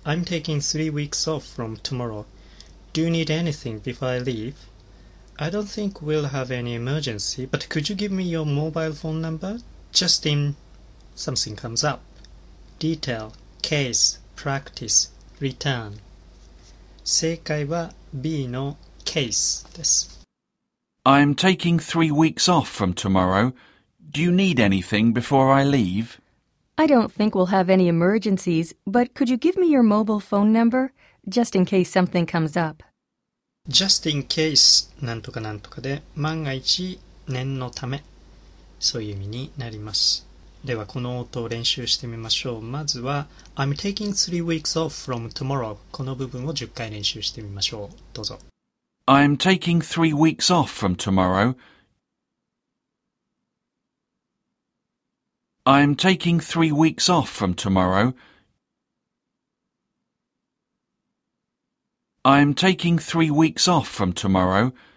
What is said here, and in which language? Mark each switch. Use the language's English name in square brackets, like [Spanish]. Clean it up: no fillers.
[English] I'm taking 3 weeks off from tomorrow. Do you need anything before I leave? I don't think we'll have any emergency, but could you give me your mobile phone number? Just in something comes up. Detail, case, practice, return. [Japanese] 正解は B の case です。 [English] I'm taking 3 weeks off from tomorrow. Do you need anything before I leave? I don't think we'll have any emergencies, but could you give me your mobile phone number? Just in case something comes up. Just in case, [Japanese] なんとかなんとかで、万が一、念のため、そういう意味になります。では、この音を練習してみましょう。まずは、 [English] I'm taking 3 weeks off from tomorrow. [Japanese] この部分を10回練習してみましょう。どうぞ。 [English] I'm taking 3 weeks off from tomorrow. I'm taking 3 weeks off from tomorrow. I'm taking 3 weeks off from tomorrow.